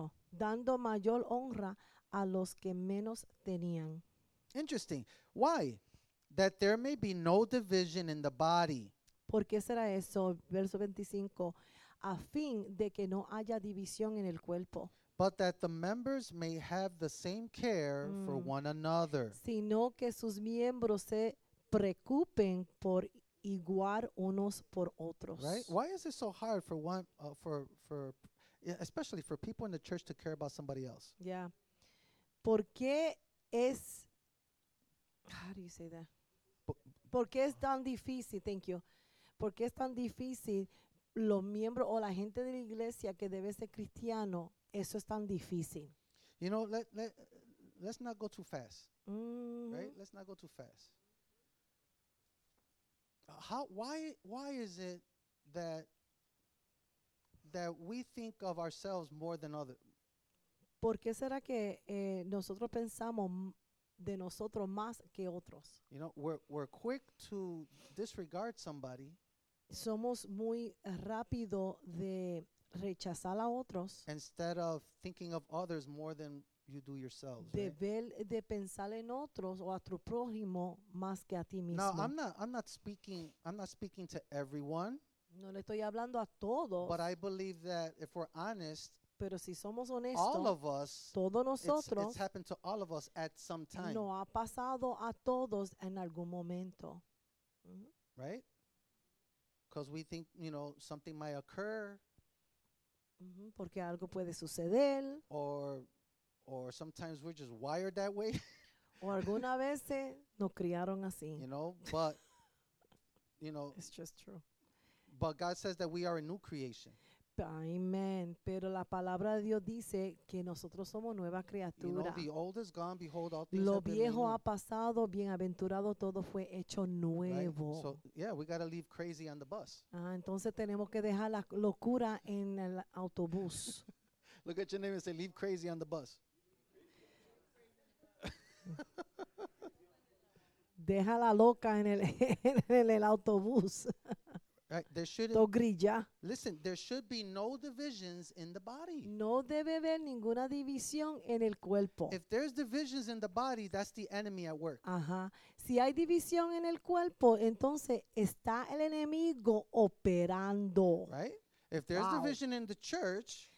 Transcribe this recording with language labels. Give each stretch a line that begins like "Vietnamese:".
Spanish: Dando mayor honra a los que menos tenían.
English: Interesting. Why? That there may be no division in the body.
Spanish: ¿Por qué será eso? Verso 25. A fin de que no haya división en el cuerpo.
English: But that the members may have the same care for one another.
Spanish: Sino que sus miembros se preocupen por igual unos por otros.
English: Right? Why is it so hard for one for especially for people in the church to care about somebody else? Yeah.
Spanish: ¿Por qué es
English: how do you say that?
Spanish: ¿Por qué es tan difícil?
English: Thank you.
Spanish: ¿Por qué es tan difícil los miembros o la gente de la iglesia que debe ser cristiano? Eso es tan difícil.
English: You know, let's not go too fast. Mm-hmm. Right? Let's not go too fast. Why is it that we think of ourselves more than others?
Spanish: ¿Por qué será que nosotros pensamos de nosotros más que otros?
English: You know, we're quick to disregard somebody.
Spanish: Somos muy rápido de rechazar a otros.
English: Instead of thinking of others more than you do yourselves.
Spanish: De ver, de pensar en otros o a tu prójimo más que a ti mismo.
English: Now, I'm not speaking to everyone.
Spanish: No le estoy hablando a todos.
English: But I believe that if we're honest,
Spanish: pero si somos honestos,
English: all of us,
Spanish: todos nosotros,
English: it's happened to all of us at some time.
Spanish: No ha pasado a todos en algún momento.
English: Mm-hmm. Right? Because we think, you know, something might occur. Mm-hmm.
Spanish: Porque algo puede suceder.
English: Or sometimes we're just wired that way.
Spanish: O alguna vez nos criaron así.
English: You know, but, you know. It's just true. But God says that we are a new creation. Amen.
Spanish: Pero la palabra de Dios dice que nosotros somos nueva criatura.
English: You know, the old is gone, behold, all things
Spanish: lo viejo ha pasado, bienaventurado, todo fue hecho nuevo.
English: Right. So, yeah, we gotta leave crazy on the bus.
Spanish: Entonces tenemos que dejar la locura en el autobús.
English: Look at your name and say, leave crazy on the bus.
Spanish: Deja la loca en el autobús.
English: Right, there should Togrilla. Listen, there should be no divisions in the body.
Spanish: No debe haber ninguna división en el cuerpo.
English: If there's divisions in the body, that's the enemy at work. Ajá.
Spanish: Si hay división en el cuerpo, entonces está el enemigo operando.
English: Right? If there's division in the church,